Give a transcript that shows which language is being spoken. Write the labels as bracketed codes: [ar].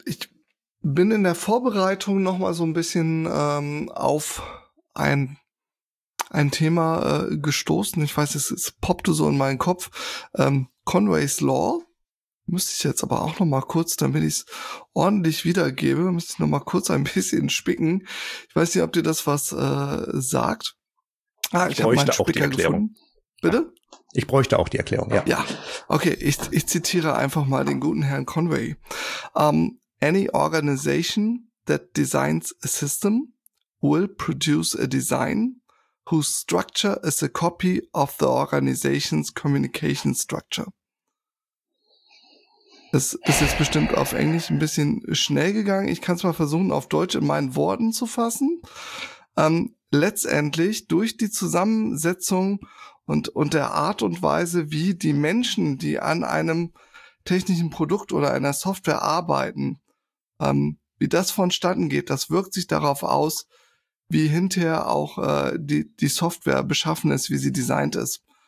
[de] Ich bin in der Vorbereitung nochmal so ein bisschen auf ein Thema gestoßen, ich weiß, es poppte so in meinen Kopf, Conway's Law, müsste ich jetzt aber auch nochmal kurz, damit ich es ordentlich wiedergebe, müsste ich nochmal kurz ein bisschen spicken. Ich weiß nicht, ob dir das was sagt. Ich habe meinen Spicker auch die Erklärung gefunden. Bitte? Ich bräuchte auch die Erklärung, ja. Ja, okay, ich zitiere einfach mal den guten Herrn Conway. [en] Any organization that designs a system will produce a design whose structure is a copy of the organization's communication structure. [de] Es ist jetzt bestimmt auf Englisch ein bisschen schnell gegangen. Ich kann es mal versuchen, auf Deutsch in meinen Worten zu fassen. Letztendlich durch die Zusammensetzung und der Art und Weise, wie die Menschen, die an einem technischen Produkt oder einer Software arbeiten, wie das vonstatten geht, das wirkt sich darauf aus, wie hinterher auch die Software beschaffen ist, wie sie designt ist.